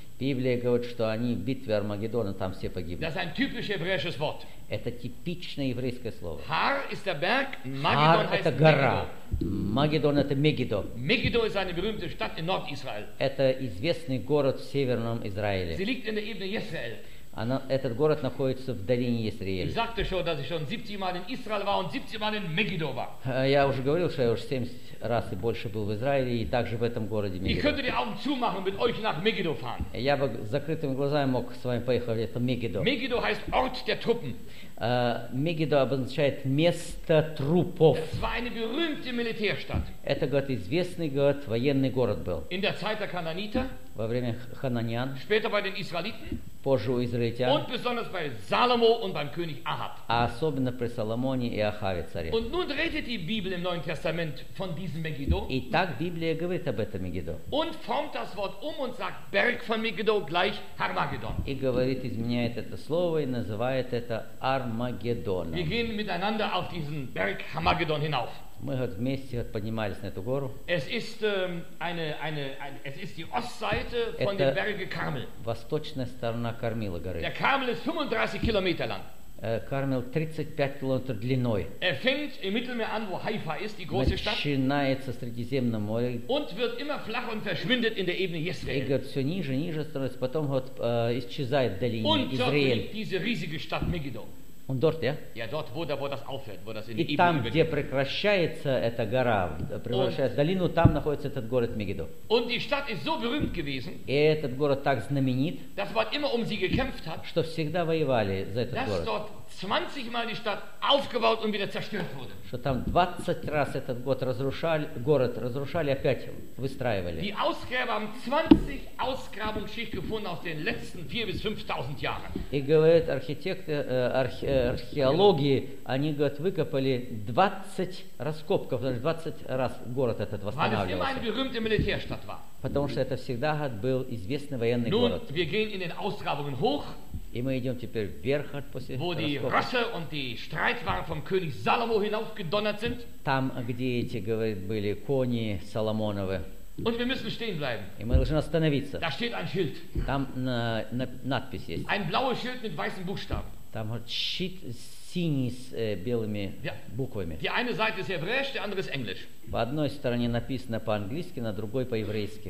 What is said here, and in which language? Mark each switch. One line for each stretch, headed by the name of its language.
Russian: Библия говорит, что они в битве Армагеддона там все погибнут.
German: Das ist ein typisches hebräisches Wort.
Russian: Это типичное еврейское слово.
German: Har ist der Berg, Har heißt
Russian: это гора. Магеддон это Мегидо.
German: Megiddo ist eine berühmte Stadt in Nordisrael.
Russian: Это известный город в северном Израиле.
German: Sie liegt in der Ebene Jezreel.
Russian: Она, этот город находится в долине Иезреэль.
German: Ich sagte schon, dass ich schon 70 Mal in Israel war und 70 Mal in Megiddo war.
Russian: Я уже говорил, что я уже 70 раз и больше был в Израиле и также в этом городе Мегидо.
German: Ich könnte die Augen zumachen und mit euch nach Megiddo fahren.
Russian: Я бы с закрытыми глазами мог с вами поехать в это Мегидо.
German: Megiddo heißt Ort der Truppen.
Russian: Мегидо обозначает место трупов.
German: Es war eine berühmte Militärstadt.
Russian: Это, говорит, известный город, военный город был.
German: In der Zeit der Kananiter.
Russian: Во время Хананьян.
German: Später bei den Israeliten.
Russian: Позже у израильтян.
German: Und besonders bei Salomo und beim König Ahab.
Russian: А особенно при Соломоне и Ахаве царе.
German: Und nun redet die Bibel im Neuen Testament von diesem Megiddo.
Russian: И так Библия говорит об этом Мегидо.
German: Und formt das Wort um und sagt Berg von Megiddo gleich Armageddon.
Russian: И говорит, изменяет это слово и называет это Армагеддоном.
German: Wir gehen miteinander auf diesen Berg Armageddon hinauf.
Russian: Мы вот вместе вот поднимались на эту гору.
German: Es ist es ist die Ostseite von dem Berge Karmel.
Russian: Восточная сторона Кармила горы.
German: Der Karmel ist 35 Kilometer lang.
Russian: Кармел 35 километров длиной.
German: Er fängt im Mittelmeer an, wo Haifa ist, die große Stadt.
Russian: Начинается в Средиземном море.
German: Und wird immer flacher und verschwindet in der Ebene Jezreel.
Russian: И говорит, все ниже, ниже становится, потом вот исчезает в долине Иезреэль.
German: Und diese riesige Stadt Megiddo. Und dort, ja? Ja, dort, wo das aufhört, wo das in
Russian: и
German: Ebene
Russian: там,
German: übergeht.
Russian: Где прекращается эта гора, превращается
German: und,
Russian: в долину, там находится этот город Мегидо.
German: Und die Stadt ist so berühmt gewesen,
Russian: и этот город так знаменит,
German: dass man immer um sie gekämpft hat,
Russian: что всегда воевали за этот
German: dass
Russian: город.
German: Dort 20 Mal die Stadt aufgebaut und wieder zerstört wurde.
Russian: Что там 20 раз этот год разрушали, город разрушали, опять выстраивали.
German: Die Ausgräber haben 20 Ausgrabungsschicht gefunden aus den letzten 4-5000 Jahren.
Russian: И говорят архитекты, археологи, они, говорят, выкопали 20 раскопков, 20 раз город этот восстанавливался.
German: Weil es immer eine berühmte Militärstadt war.
Russian: Потому что это всегда был известный военный
German: Nun,
Russian: город.
German: Wir gehen in den Ausgrabungen hoch,
Russian: и мы идем теперь вверх от после
German: wo die Rosse und die Streitwagen vom König Salomo hinaufgedonnert sind.
Russian: Там, где эти, говорит, были кони Соломоновы.
German: Und wir müssen stehen bleiben.
Russian: И мы должны остановиться.
German: Da steht ein Schild.
Russian: Там надпись есть.
German: Ein blaues Schild mit weißen Buchstaben.
Russian: Там вот щит с синий с белыми буквами.
German: Die eine Seite ist hebräisch, die andere ist englisch.
Russian: По одной стороне написано по-английски, на другой по-еврейски.